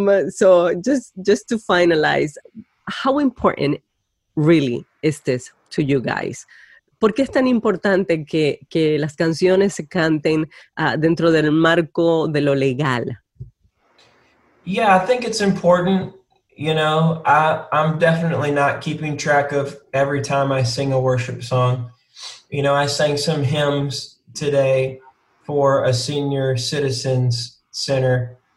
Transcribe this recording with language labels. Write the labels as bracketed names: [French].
[English] So just to finalize, how important really is this to you guys? [Spanish] ¿Por qué es tan importante que las canciones se canten dentro del marco de lo legal? [English] Yeah, I think it's important. You know, I'm definitely not keeping track of every time I sing a worship song. You know, I sang some hymns today for a senior citizens center.